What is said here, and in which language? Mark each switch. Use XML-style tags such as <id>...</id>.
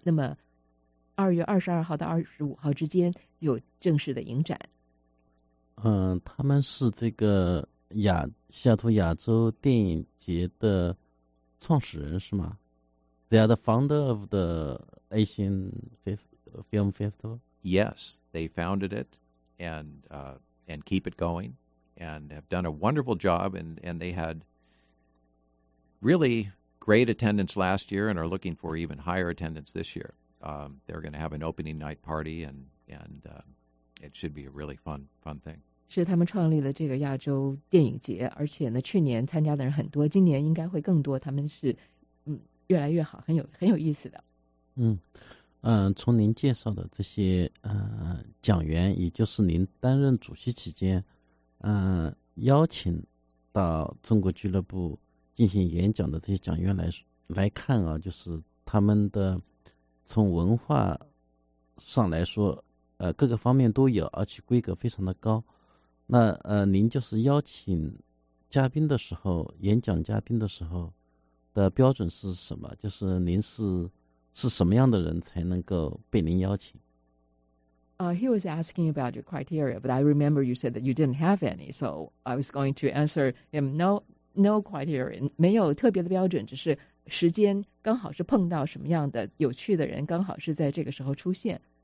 <zh>那么2月22号到25号之间有正式的影展。他们是这个西雅图亚洲电影节的创始人是吗？</zh> <en>They are the founder of the Asian Film Festival? Yes, they founded it and keep it going and have done a wonderful job, and they had really great attendance last year and are looking for even higher attendance this year. They're going to have an opening night party and it should be a really fun thing.</en> <zh>是他们创立了这个亚洲电影节，而且呢，去年参加的人很多，今年应该会更多，他们是越来越好，很有意思的。从您介绍的这些讲员，也就是您担任主席期间邀请到中国俱乐部进行演讲的这些讲员来看啊，就是他们的从文化上来说各个方面都有，而且规格非常的高。那您就是邀请嘉宾的时候，演讲嘉宾的时候的标准是什么？就是您是什么样的人才能够被您邀请？</zh> <en>He was asking about your criteria, but I remember you said that you didn't have any, so I was going to answer him no criteria,</en> <zh>没有特别的标准，只是时间刚好是碰到什么样的有趣的人，刚好是在这个时候出现。</zh>